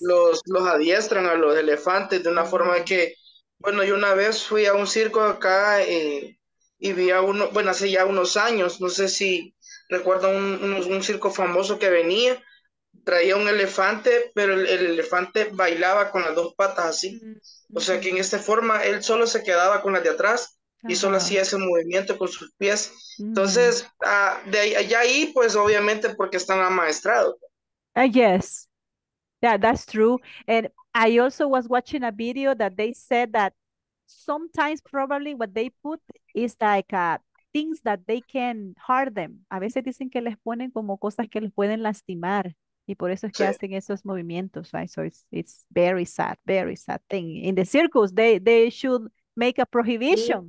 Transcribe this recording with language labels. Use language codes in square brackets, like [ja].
[es] los adiestran a los elefantes de una forma que, bueno, yo una vez fui a un circo acá y vi a uno, bueno, hace ya unos años, no sé si recuerdo un circo famoso que venía, traía un elefante, pero el elefante bailaba con las dos patas así, o sea que en esta forma él solo se quedaba con las de atrás. Y solo hacía ese movimiento con sus pies. Entonces, de allá ahí, pues obviamente porque están amaestrados. [en] Yes, that's true. And I also was watching a video that they said that sometimes probably what they put is like things that they can harden them. [es] A veces dicen que les ponen como cosas que les pueden lastimar. Y por eso es que hacen esos movimientos, right? [en] So it's very sad thing. In the circus, they should make a prohibition.